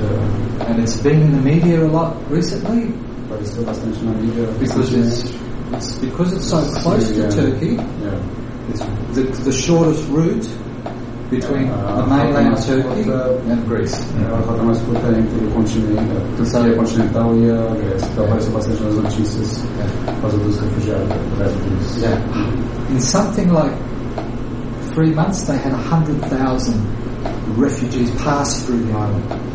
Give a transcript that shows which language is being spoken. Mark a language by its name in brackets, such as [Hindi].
[English] And it's been in the media a lot recently. But it's still [Portuguese] bastante na mídia. [English] Because it's so close to Turkey. Yeah. It's the shortest route between the mainland of Turkey and Greece. [Portuguese] Yeah. Rota mais curta entre o continente, Turquia continental e a Grécia. Então apareceu bastante nas notícias por causa dos refugiados. [English] Yeah. In something like 3 months, they had 100,000 refugees pass through the island.